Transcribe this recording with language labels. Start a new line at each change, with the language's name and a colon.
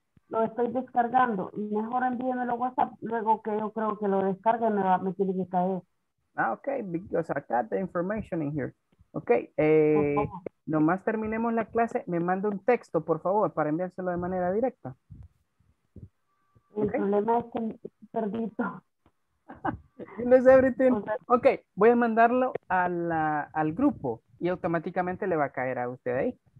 Spanish: Lo estoy descargando, mejor envíenmelo WhatsApp, luego que yo creo que lo descargue me tiene que caer.
English: Ah, okay, because I got the information in here.
Spanish: Okay, nomás terminemos la clase, me manda un texto, por favor, para enviárselo de manera directa. Okay. El problema es que perdí todo. No sé, okay, voy a mandarlo al grupo y automáticamente le va a caer a usted ahí.